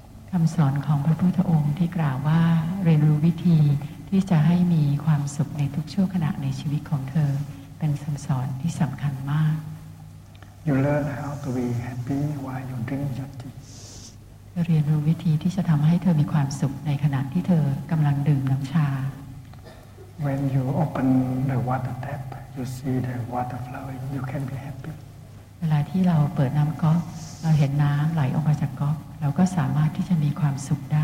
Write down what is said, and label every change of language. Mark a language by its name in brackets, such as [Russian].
[Thai] คำสอนของพระพุทธองค์ที่กล่าวว่าเรียนรู้วิธีที่จะให้มีความสุขในทุกชั่วขณะในชีวิตของเธอเป็นคำสอนที่สำคัญมาก [English] You learn how to be happy while you drink your tea [Thai] เรียนรู้วิธีที่จะทำให้เธอมีความสุขในขณะที่เธอกำลังดื่มน้ำชา [English] When you open the water tap you see the water flowing you can be happy [Thai] เวลาที่เราเปิดน้ำก๊อกเราเห็นน้ำไหลออกมาจากก๊อกเราก็สามารถที่จะมีความสุขได